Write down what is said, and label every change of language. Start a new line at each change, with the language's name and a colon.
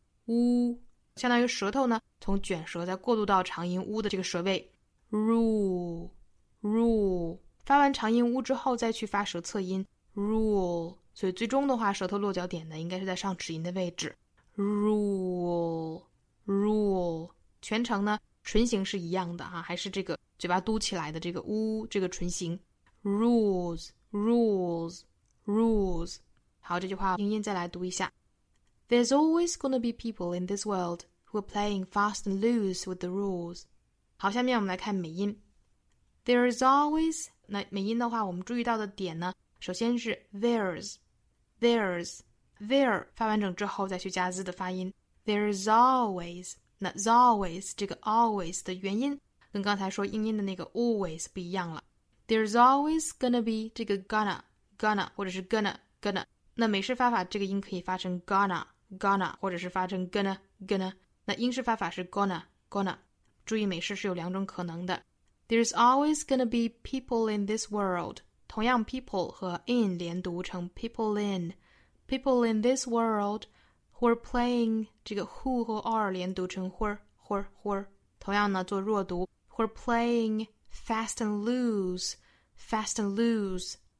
Chinese: u， 相当于舌头呢从卷舌再过渡到长音 u 的这个舌位rule， 发完长音 u 之后再去发舌侧音 rule， 所以最终的话舌头落脚点呢应该是在上齿音的位置 rule。全程呢唇形是一样的哈，还是这个嘴巴嘟起来的这个 u 这个唇形 rules。好，这句话英音再来读一下。
English: There's always gonna be people in this world who are playing fast and loose with the rules。
Chinese: 好，下面我们来看美音。
English: There's always，
Chinese: 那美音的话我们注意到的点呢，首先是 there 发完整之后再去加 z 的发音。
English: There's always，
Chinese: 那 always 这个 always 的元音跟刚才说英音的那个 always 不一样了。
English: There's always gonna be
Chinese: 这个 gonna 或者是 gonna， 那美式发法这个音可以发成 gonna 或者是发成 gonna， 那英式发法是 gonna。注意美式是有两种可能的。
English: There's always gonna be people in this world，
Chinese: 同样 people 和 in 连读成 people in this world who are playing， 这个 who 和 are 连读成 who are 同样呢做弱读
English: who are playing fast and loose。